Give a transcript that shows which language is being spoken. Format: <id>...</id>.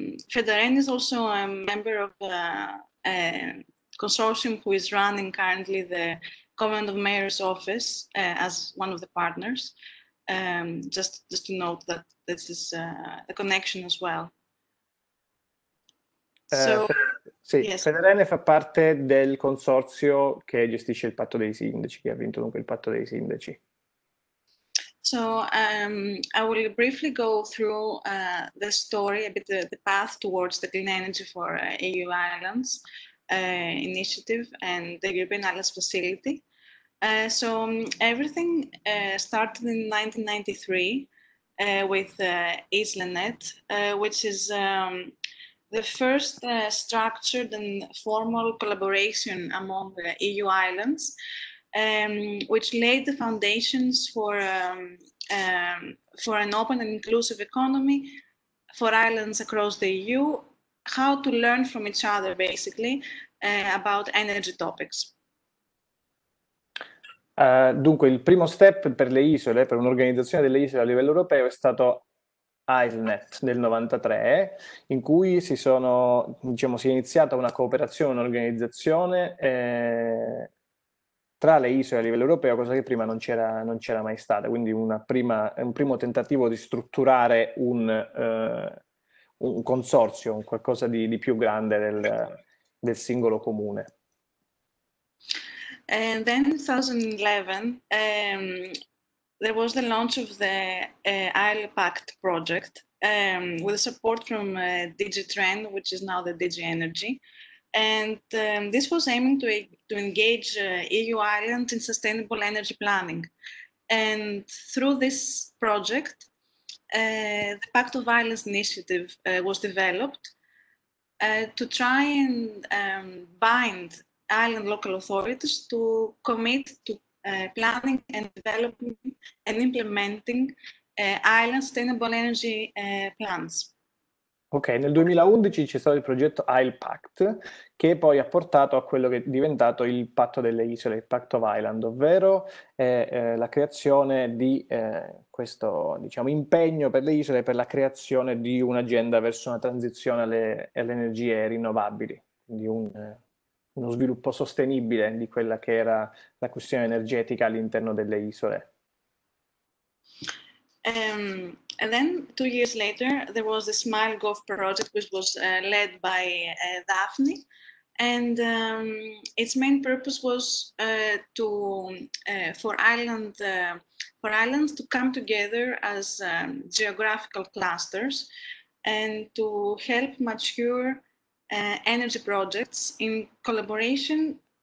<en>Federen is also a member of a consortium who is running currently the Covenant of Mayors office as one of the partners. Just to note that this is a connection as well. So,</en> <it>Sì,</it> <en>yes.</en> <it>Federene fa parte del consorzio che gestisce il patto dei sindaci, che ha vinto dunque il patto dei sindaci.</it> <en>So I will briefly go through the story, a bit the path towards the Clean Energy for EU Islands initiative and the European Islands Facility. So everything started in 1993 with IslaNet, which is the first structured and formal collaboration among the EU Islands. Which laid the foundations for an open and inclusive economy for islands across the EU, how to learn from each other, basically, about energy topics.</en> <it>Dunque, il primo step per le isole, per un'organizzazione delle isole a livello europeo, è stato IslaNet del 93, in cui diciamo, si è iniziata una cooperazione, un'organizzazione. Tra le isole a livello europeo, cosa che prima non c'era mai stata, quindi un primo tentativo di strutturare un consorzio, qualcosa di più grande del singolo comune.</it> <en>And then in 2011, there was the launch of the Isle Pact project with support from DigiTrend, which is now the Digi Energy. And this was aiming to engage EU islands in sustainable energy planning. And through this project, the Pact of Islands initiative was developed to try and bind island local authorities to commit to planning and developing and implementing island sustainable energy plans.</en> <it>Ok, nel 2011 c'è stato il progetto Isle Pact, che poi ha portato a quello che è diventato il patto delle isole, il Pact of Island, ovvero la creazione di questo, diciamo, impegno per le isole per la creazione di un'agenda verso una transizione alle energie rinnovabili, di uno sviluppo sostenibile di quella che era la questione energetica all'interno delle isole.</it> <en>And then 2 years later, there was a Smile Gulf project which was led by Daphne, and its main purpose was for islands to come together as geographical clusters and to help mature energy projects in collaboration.</en>